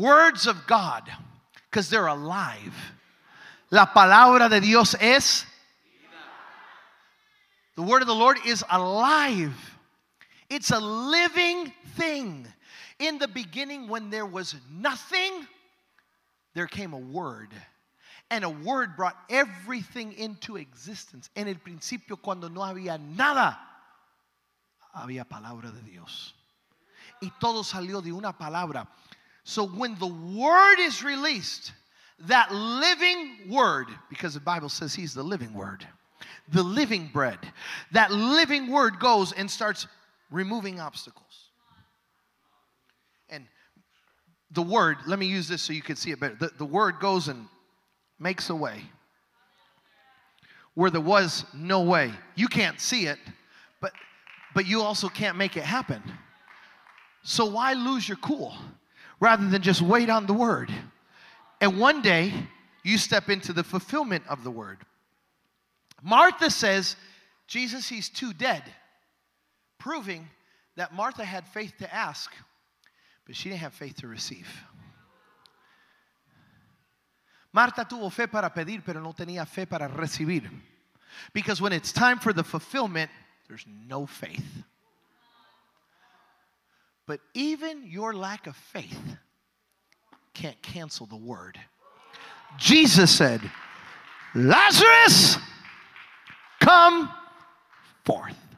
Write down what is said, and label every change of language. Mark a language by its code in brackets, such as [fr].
[en] Words of God, because they're alive. [es] La palabra de Dios es. [en] The word of the Lord is alive. It's a living thing. In the beginning, when there was nothing, there came a word. And a word brought everything into existence. [es] En el principio, cuando no había nada, había palabra de Dios. Y todo salió de una palabra. [en] So when the word is released, that living word, because the Bible says he's the living word, the living bread, that living word goes and starts removing obstacles. And the word, let me use this so you can see it better. The word goes and makes a way where there was no way. You can't see it, but you also can't make it happen. So why lose your cool rather than just wait on the word? And one day, you step into the fulfillment of the word. Martha says, Jesus, he's too dead. Proving that Martha had faith to ask, but she didn't have faith to receive. [es] Martha tuvo fe para pedir, pero no tenía fe para recibir. [en] Because when it's time for the fulfillment, there's no faith. But even your lack of faith can't cancel the word. Jesus said, Lazarus, come forth.